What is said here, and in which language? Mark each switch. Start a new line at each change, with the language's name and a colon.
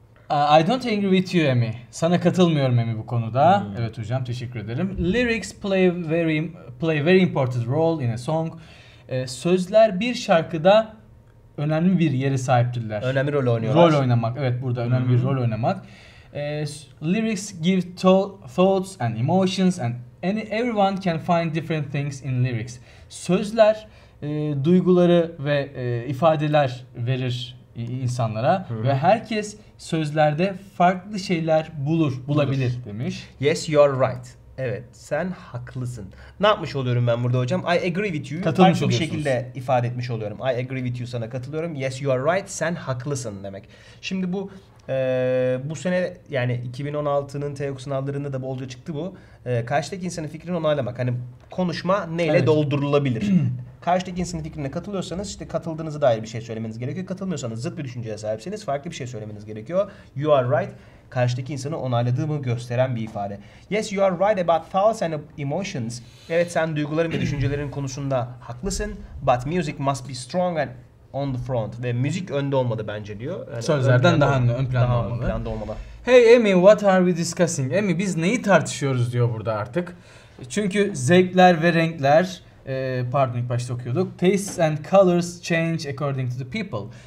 English: I don't agree with you, Emi.
Turkish: Sana katılmıyorum Emi bu konuda.
English: Hmm.
Turkish: Evet hocam, teşekkür ederim.
English: Lyrics play very important role in a song.
Turkish: Sözler bir şarkıda önemli bir yere sahiptirler. Önemli rol oynuyorlar. Rol oynamak, evet burada önemli bir rol oynamak.
English: Lyrics give thoughts and emotions and everyone can find different things in lyrics.
Turkish: Sözler duyguları ve ifadeler verir insanlara ve herkes sözlerde farklı şeyler bulur, bulabilir demiş.
English: Yes, you're right.
Turkish: Evet, sen haklısın. Ne yapmış oluyorum ben burada hocam?
English: I agree with you.
Turkish: Farklı bir şekilde ifade etmiş oluyorum.
English: I agree with you,
Turkish: sana katılıyorum.
English: Yes, you are right.
Turkish: Sen haklısın demek. Şimdi bu bu sene, yani 2016'nın TEOG sınavlarında da bolca çıktı bu. Karşıdaki insanın fikrini onaylamak. Hani konuşma neyle evet. doldurulabilir? Karşıdaki insanın fikrine katılıyorsanız işte katıldığınıza dair bir şey söylemeniz gerekiyor. Katılmıyorsanız, zıt bir düşünceye sahipseniz farklı bir şey söylemeniz gerekiyor.
English: You are right.
Turkish: Karşıdaki insanı onayladığımı gösteren bir ifade.
English: Yes, you are right about thoughts and emotions.
Turkish: Evet, sen duyguların ve düşüncelerin konusunda haklısın.
English: But music must be strong and on the front.
Turkish: Ve müzik önde olmadı bence diyor. Yani sözlerden daha ön planda daha olmalı.
English: Hey Amy, what are we discussing?
Turkish: Amy, biz neyi tartışıyoruz diyor burada artık. Çünkü zevkler ve renkler, pardon ilk başta okuyorduk.
English: Tastes and colors change according to the people.